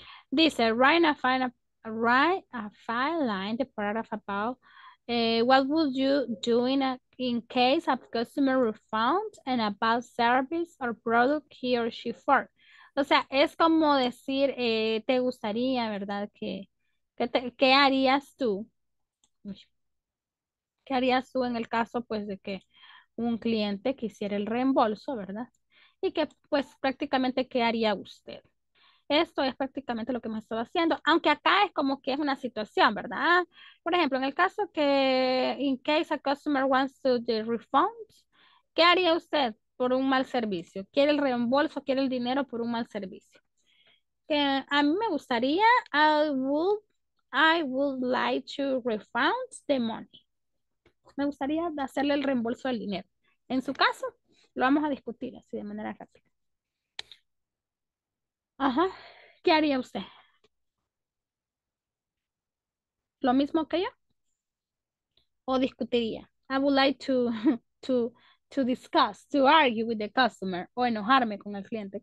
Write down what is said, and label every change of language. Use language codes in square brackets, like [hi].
[es] Dice, [en] write a fine line, the paragraph about what would you do in case a customer refunds and about service or product he or she for. [es] O sea, es como decir, te gustaría, ¿verdad? ¿Qué harías tú? ¿Qué harías tú en el caso, pues, de que un cliente quisiera el reembolso, ¿verdad? Y que, pues, prácticamente, ¿qué haría usted? Esto es prácticamente lo que me estaba haciendo. Aunque acá es como que es una situación, ¿verdad? Por ejemplo, en el caso que, [en] in case a customer wants to the refund, [es] ¿qué haría usted? Por un mal servicio, quiere el reembolso, quiere el dinero por un mal servicio. Que a mí me gustaría, [en] I would like to refund the money. [es] Me gustaría hacerle el reembolso del dinero. En su caso, lo vamos a discutir así de manera rápida. Ajá, ¿qué haría usted? ¿Lo mismo que yo? ¿O discutiría? [en] I would like to discuss, to argue with the customer [es] o enojarme con el cliente.